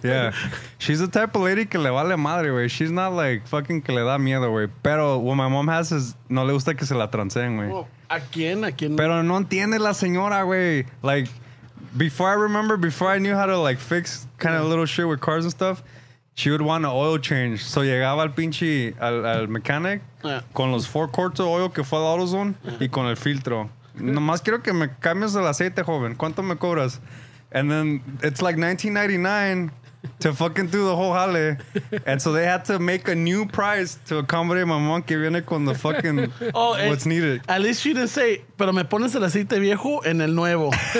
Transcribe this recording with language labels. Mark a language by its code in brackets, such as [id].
[en] Yeah. She's the type of lady [es] que le vale madre, güey. [en] She's not like fucking [es] que le da miedo, güey. Pero [en] what my mom has is [es] no le gusta que se la transeen, güey. ¿A quién? ¿A quién? Pero no entiende la señora, güey. [en] Like, before I knew how to like fix kind of little shit with cars and stuff, she would want an oil change. [es] So llegaba al pinche, al mechanic, con los 4 [en] quarts of oil [es] que fue al AutoZone, y con el filtro. Nomás quiero que me cambies el aceite, joven. ¿Cuánto me cobras? [en] And then it's like $19.99 to fucking do the whole jale. And so they had to make a new price to accommodate my mom [es] que viene con [en] the fucking what's needed. At least she didn't say, [es] pero me pones el aceite viejo en el nuevo.